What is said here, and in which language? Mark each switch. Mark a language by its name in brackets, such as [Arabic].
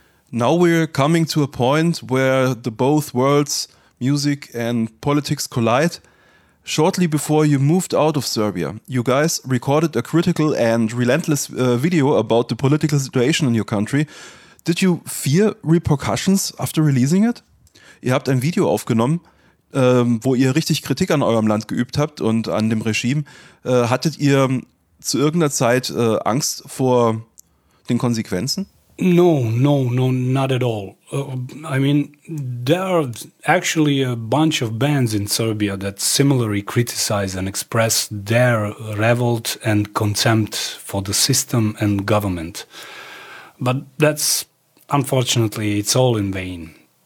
[English] Now we're coming to a point where the both worlds, music and politics, collide. Shortly before you moved out of Serbia, you guys recorded a critical and relentless video about the political situation in your country. Did you fear repercussions after releasing it? [German] Ihr habt ein Video aufgenommen, wo ihr richtig Kritik an eurem Land geübt habt und an dem Regime. Hattet ihr zu irgendeiner Zeit Angst vor den Konsequenzen? [English] No, not at all. I mean, there are actually a bunch of bands in Serbia that similarly criticize and express their revolt and contempt for the system and government. But that's, unfortunately, it's all in vain.